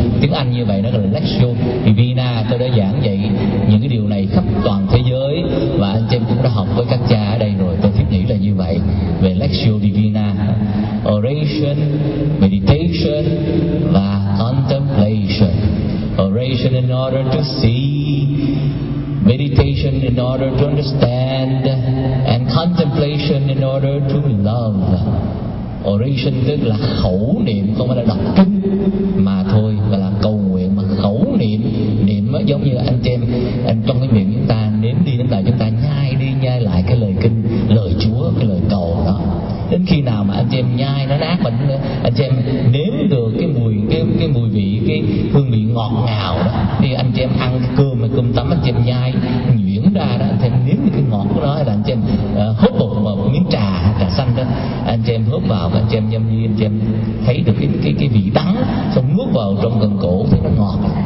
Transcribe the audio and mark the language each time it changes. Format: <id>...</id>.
<vi>Tiếng Anh như vậy, nó gọi là Lectio Divina. Tôi đã giảng dạy những cái điều này khắp toàn thế giới, và anh chị em cũng đã học với các cha ở đây rồi. Tôi thiết nghĩ là như vậy. Về Lectio Divina, oration, meditation và contemplation.</vi> <en>Oration in order to see, meditation in order to understand, and contemplation in order to love.</en> <vi>Oration tức là khẩu niệm, không phải là đọc kinh mà thôi, mà là cầu nguyện, mà khẩu niệm. Niệm giống như anh chị em trong cái miệng chúng ta nếm đi nếm lại, chúng ta nhai đi nhai lại cái lời kinh, lời Chúa, cái lời cầu đó. Đến khi nào mà anh chị em nhai nó nát bệnh, anh chị em nếm được cái mùi, cái mùi vị, cái hương vị ngọt ngào đó, thì anh chị em ăn cơm hay cơm tấm, anh chị em nhai nhuyễn ra đó, anh chị em nếm được cái ngọt của nó, hay là anh chị em húp một miếng trà, trà xanh đó, anh chị em húp vào, anh chị em nhâm nhi, anh chị em thấy được cái vị đắng, xong nuốt vào trong gần cổ thì nó ngọt.</vi>